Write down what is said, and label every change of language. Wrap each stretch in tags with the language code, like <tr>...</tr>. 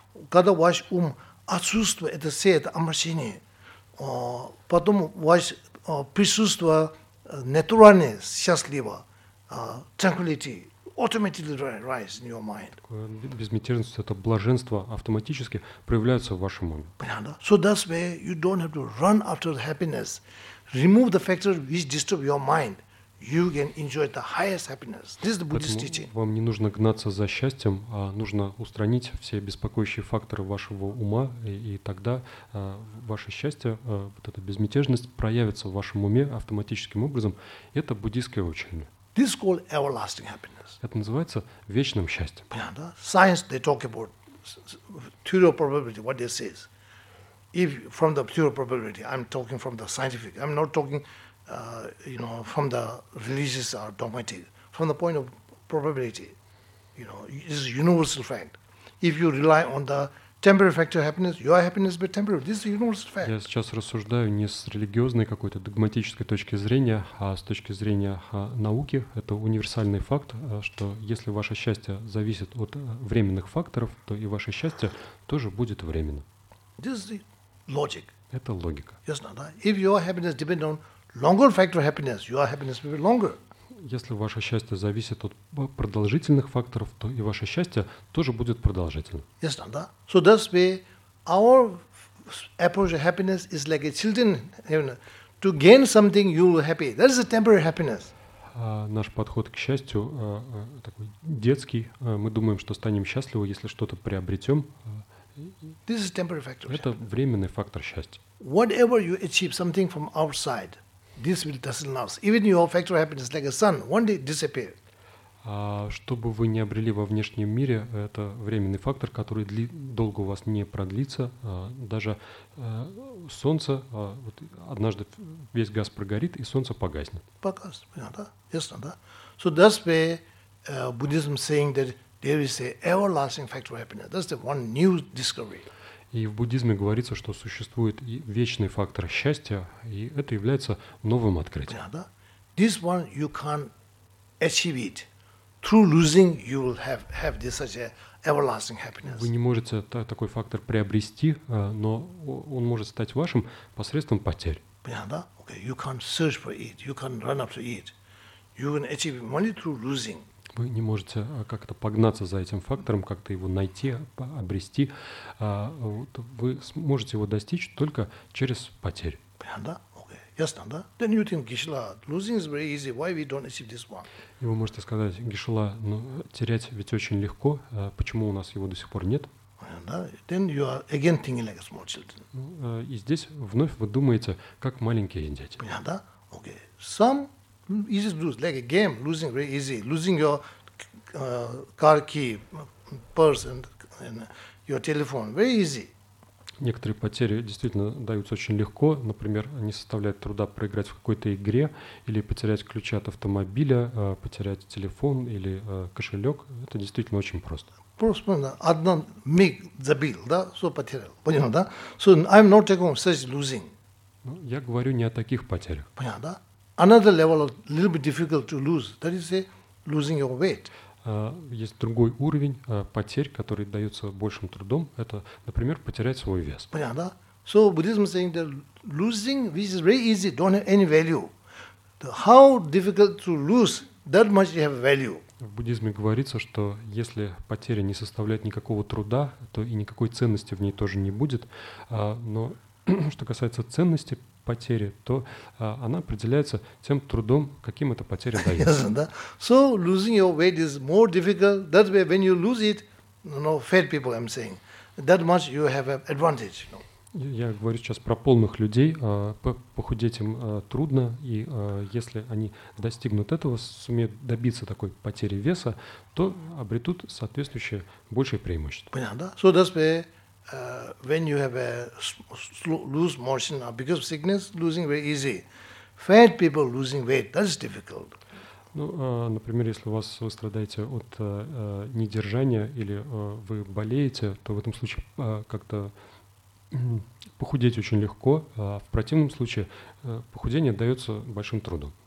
<ru>Когда ваш ум отсутствует, это все это омрачение. Потом ваше присутствие натуральное, счастливо.</ru> <en>Tranquility automatically rise in your mind.</en> <ru>Безмятежность, это блаженство автоматически проявляется в вашем уме. Понятно?</ru> <en>So that's where you don't have to run after the happiness. Remove the factors which disturb your mind. You can enjoy the highest happiness. This is the Buddhist teaching.</en> <ru>Вам не нужно гнаться за счастьем, а нужно устранить все беспокоящие факторы вашего ума, и тогда ваше счастье, вот эта безмятежность проявится в вашем уме автоматическим образом. Это буддийское учение.</ru> <en>This is called everlasting happiness.</en> <ru>Это называется вечным счастьем. Понятно, да?</ru> <en>Science, they talk about theory of probability, what they say. If from the theory of probability, I'm talking from the scientific, I'm not talking from the religious or dogmatic, from the point of probability, you know, this is universal fact. If you rely on the temporary factor of happiness, your happiness will be temporary. This is a universal fact.</en> <ru>Я сейчас рассуждаю не с религиозной какой-то догматической точки зрения, а с точки зрения науки. Это универсальный факт, что если ваше счастье зависит от временных факторов, то и ваше счастье тоже будет временно.</ru> <en>This is the logic.</en> <ru>Это логика.</ru> <en>Yes, no, that. If your happiness depends on longer factor happiness, your happiness will be longer.</en> <ru>Если ваше счастье зависит от продолжительных факторов, то и ваше счастье тоже будет продолжительным.</ru> <en>Yes, no, that. So that's why our approach of happiness is like a children, you know, to gain something, you will be happy. That is a temporary happiness.</en> <ru>Наш подход к счастью такой детский. Мы думаем, что станем счастливы, если что-то приобретем.</ru> <en>This is temporary factor.</en> <ru>Это временный фактор счастья.</ru> <en>Whatever you achieve, something from outside. This will doesn't last. Even your factor of happiness, like a sun, one day disappear.</en> <ru>Что бы вы ни обрели во внешнем мире, это временный фактор, который долго у вас не продлится. Даже солнце, вот однажды весь газ прогорит, и солнце погаснет. Погас, понятно, да? Ясно, да?</ru> <en>So that's where Buddhism saying that there is an everlasting factor of happiness. That's the one new discovery.</en> <ru>И в буддизме говорится, что существует и вечный фактор счастья, и это является новым открытием.</ru> <en>Yeah, this one you can achieve it. Through losing you will have this such a everlasting happiness.</en> <ru>Вы не можете такой фактор приобрести, но он может стать вашим посредством потерь.</ru> <en>Yeah, да? Okay. You can search for it. You can run after it. You can achieve money through losing.</en> <ru>Вы не можете как-то погнаться за этим фактором, как-то его найти, обрести. Вы сможете его достичь только через потерь. Да? Окей. Ясно, да?</ru> <en>Then you think, Гишла, losing is very easy. Why we don't achieve this one?</en> <ru>И вы можете сказать, Гишла, ну, терять ведь очень легко. Почему у нас его до сих пор нет? Да?</ru> <en>Then you are again thinking like small children.</en> <ru>И здесь вновь вы думаете, как маленькие дети. Понятно, да? Окей. Сам...</ru> <en>Easy to lose, like a game, losing very easy. Losing your car key, purse, and your telephone, very easy.</en> <ru>Некоторые потери действительно даются очень легко. Например, не составляет труда проиграть в какой-то игре или потерять ключи от автомобиля, потерять телефон или кошелек. Это действительно очень просто. Просто одна миг забил, да, все потерял. Понятно, да?</ru> <en>So I'm not talking about such losing.</en> <ru>Ну, я говорю не о таких потерях. Понятно, да?</ru> <en>Another level, a little bit difficult to lose. That is, say, losing your weight.</en> <ru>Есть другой уровень потерь, который дается большим трудом. Это, например, потерять свой вес. Понятно, да?</ru> <en>So Buddhism is saying that losing, which is very easy, don't have any value. The how difficult to lose, that much you have value.</en> <ru>В буддизме говорится, что если потеря не составляет никакого труда, то и никакой ценности в ней тоже не будет. Но что касается ценности потери, то она определяется тем трудом, каким эта потеря дается.</ru> <en>So losing your weight is more difficult. That way, when you lose it, you know, fat people, I'm saying, that much you have an advantage. You know.</en> <ru>Я говорю сейчас про полных людей. Похудеть им трудно, и если они достигнут этого, сумеют добиться такой потери веса, то обретут соответствующее большее преимущество. Понятно, да?</ru> <en>So that's why when you have lose motion because of sickness, losing very easy. Fat people losing weight, that's difficult.</en> <ru>Ну, например, если у вас вы страдаете от недержания или вы болеете, то в этом случае как-то похудеть очень легко, а в противном случае похудение дается большим трудом.</ru>